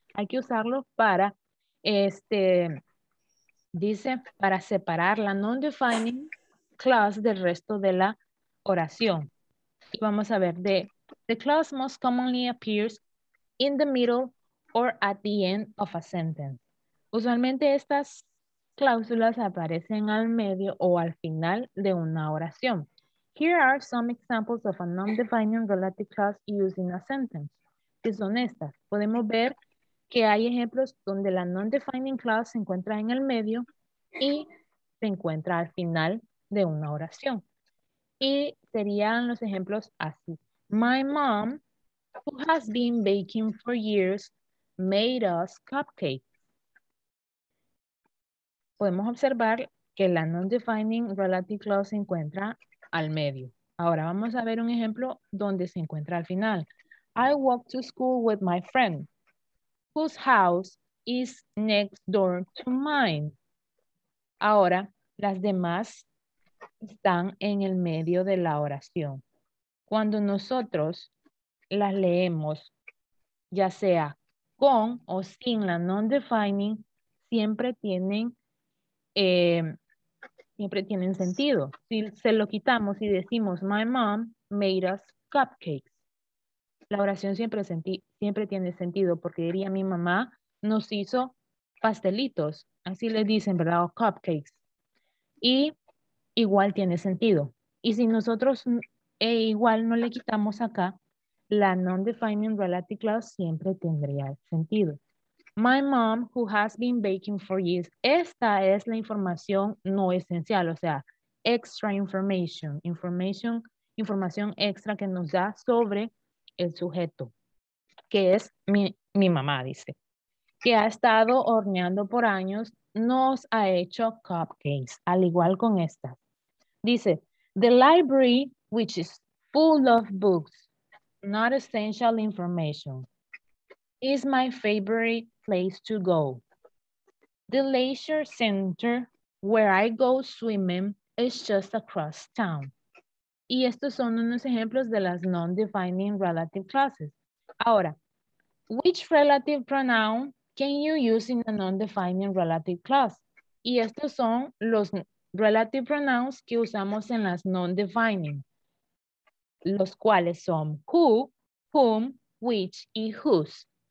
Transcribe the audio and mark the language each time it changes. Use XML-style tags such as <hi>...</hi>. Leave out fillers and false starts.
<es>Hay que usarlo para, dice, para separar la non-defining clause del resto de la oración. Y vamos a ver,</es> <en>the clause most commonly appears in the middle or at the end of a sentence.</en> <es>Usualmente estas cláusulas aparecen al medio o al final de una oración.</es> <en>Here are some examples of a non-defining relative clause used in a sentence.</en> <es>Que son estas. Podemos ver que hay ejemplos donde la non-defining clause se encuentra en el medio y se encuentra al final de una oración. Y serían los ejemplos así.</es> <en>My mom, who has been baking for years, made us cupcakes.</en> <es>Podemos observar que la non-defining relative clause se encuentra al medio. Ahora vamos a ver un ejemplo donde se encuentra al final.</es> <en>I walk to school with my friend, whose house is next door to mine.</en> <es>Ahora, las demás están en el medio de la oración. Cuando nosotros las leemos, ya sea con o sin la non-defining, siempre tienen sentido. Si se lo quitamos y decimos,</es> <en>my mom made us cupcakes.</en> <es>La oración siempre tiene sentido porque diría mi mamá nos hizo pastelitos. Así le dicen, ¿verdad? O cupcakes. Y igual tiene sentido. Y si nosotros igual no le quitamos acá, la non-defining relative clause siempre tendría sentido.</es> <en>My mom, who has been baking for years.</en> <es>Esta es la información no esencial, o sea,</es> <en>extra information,</en> <es>información extra que nos da sobre el sujeto, que es mi mamá, dice, que ha estado horneando por años, nos ha hecho cupcakes, al igual con esta. Dice,</es> <en>the library, which is full of books, not essential information, is my favorite place to go. The leisure center, where I go swimming, is just across town.</en> <es>Y estos son unos ejemplos de las non-defining relative clauses. Ahora,</es> <en>which relative pronoun can you use in a non-defining relative clause?</en> <es>Y estos son los relative pronouns que usamos en las non-defining, los cuales son who, whom, which, y whose.</es>